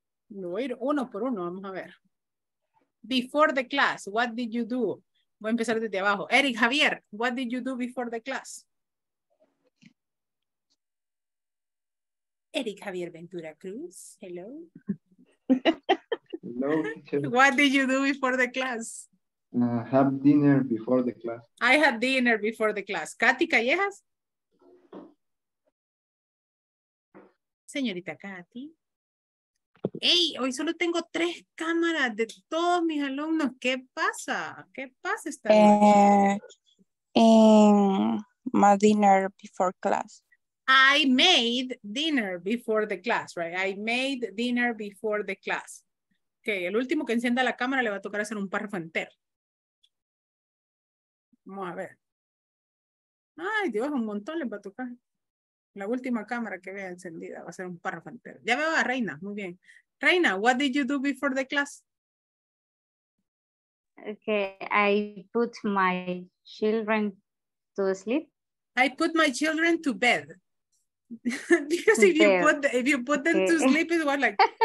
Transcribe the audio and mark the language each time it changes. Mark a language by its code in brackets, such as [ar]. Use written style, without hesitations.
[es] Lo voy a ir uno por uno, vamos a ver. [en] Before the class, what did you do? [es] Voy a empezar desde abajo. [en] Eric, Javier, what did you do before the class? Eric Javier Ventura Cruz, hello. Hello. What did you do before the class? Have dinner before the class. I had dinner before the class. Katy Callejas? [es] Señorita Katy. Hey, hoy solo tengo tres cámaras de todos mis alumnos. ¿Qué pasa? ¿Qué pasa esta noche? [en] My dinner before class. I made dinner before the class, right? I made dinner before the class. [es] Ok, el último que encienda la cámara le va a tocar hacer un párrafo entero. Vamos a ver. Ay, Dios, un montón le va a tocar. La última cámara que vea encendida va a ser un párrafo entero. Ya veo a Reina, muy bien. [en] Reina, what did you do before the class? Okay, I put my children to sleep. I put my children to bed. Because if you put them to sleep, it was like.